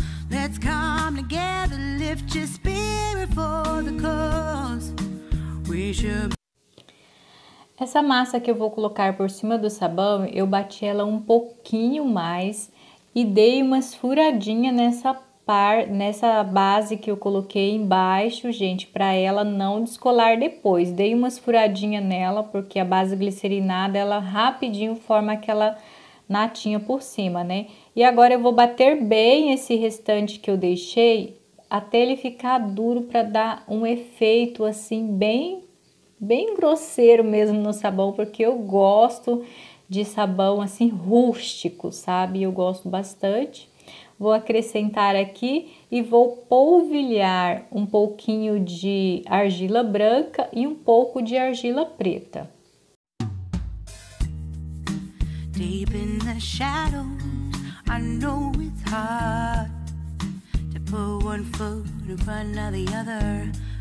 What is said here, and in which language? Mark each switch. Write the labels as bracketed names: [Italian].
[English] Let's come together, lift your spirit for the cause. We should. [Portuguese] Essa massa que eu vou colocar por cima do sabão, eu bati ela um pouquinho mais e dei umas furadinhas nessa base que eu coloquei embaixo, gente, para ela não descolar depois. Dei umas furadinhas nela, porque a base glicerinada, ela rapidinho forma aquela natinha por cima, né? E agora eu vou bater bem esse restante que eu deixei até ele ficar duro para dar um efeito assim bem grosseiro mesmo no sabão, porque eu gosto de sabão assim rústico, sabe? Eu gosto bastante. Vou acrescentar aqui e vou polvilhar um pouquinho de argila branca e um pouco de argila preta. [English] Deep in the shadows, I know it's hard to put one foot in front of the other.